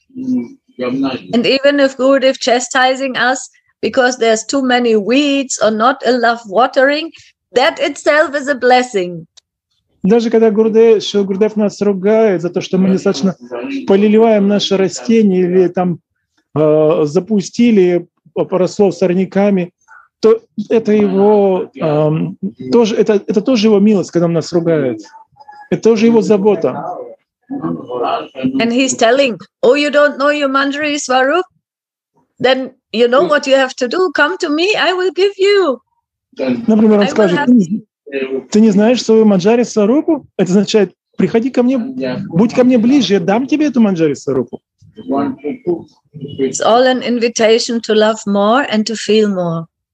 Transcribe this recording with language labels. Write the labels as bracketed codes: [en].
[en] And even if Gurudev chastising us because there's too many weeds or not enough watering, that itself is a blessing. [ru] Даже когда Гурудев нас ругает за то, что мы недостаточно поливаем наши растения или там запустили, поросло сорняками, то это его тоже это тоже его милость, когда он нас ругает. Это тоже его забота. [en] And he's telling, oh, you don't know your Manjari Swarup? Then you know what you have to do. Come to me, I will give you. [ru] Например, он скажет, ты не знаешь свою Манджари Сварупу? Это означает, приходи ко мне, будь ко мне ближе, я дам тебе эту Манджари Сварупу. [en] It's all an invitation to love more and to feel more.